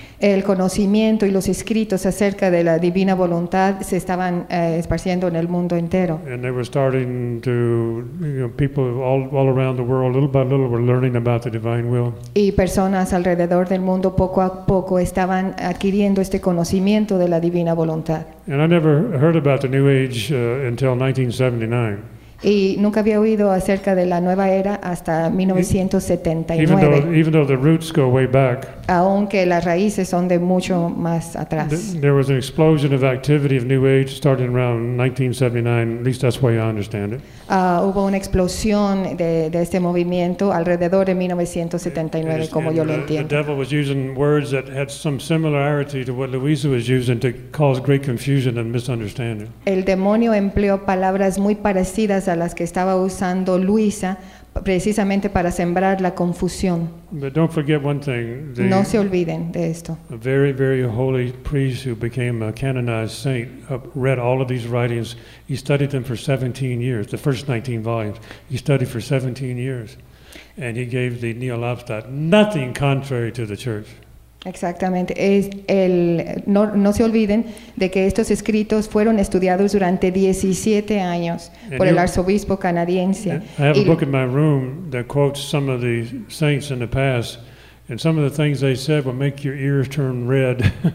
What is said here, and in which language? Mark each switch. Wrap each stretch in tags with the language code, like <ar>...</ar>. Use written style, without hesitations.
<es>El conocimiento y los escritos acerca de la divina voluntad se estaban esparciendo en el mundo entero.</es> <en>And they were starting to, you know, people all around the world, little by little, were learning about the divine will.</en> <es>Y personas alrededor del mundo poco a poco estaban adquiriendo este conocimiento de la divina voluntad.</es> <en>And I never heard about the New Age until 1979.</en> <es>Y nunca había oído acerca de la nueva era hasta 1979.</es> <en>Even though the roots go way back.</en> <es>Aunque las raíces son de mucho más atrás.</es> <en>There was an explosion of activity of New Age starting around 1979. At least that's the way I understand it.</en> <es>Hubo una explosión de este movimiento alrededor de 1979, como yo lo entiendo.</es> <en>The devil was using words that had some similarity to what Luisa was using to cause great confusion and misunderstanding.</en> <es>El demonio empleó palabras muy parecidas a las que estaba usando Luisa precisamente para sembrar la confusión.</es> <en>But don't forget one thing,</en> <es>no se olviden de esto.</es> <en>A very, very holy priest who became a canonized saint read all of these writings. He studied them for 17 years, the first 19 volumes. He studied for 17 years. And he gave the Neolapstat nothing contrary to the church.</en> <es>Exactamente. No se olviden de que estos escritos fueron estudiados durante 17 años por el arzobispo canadiense.</es> <en>I have a book in my room that quotes some of the saints in the past, and some of the things they said will make your ears turn red.</en>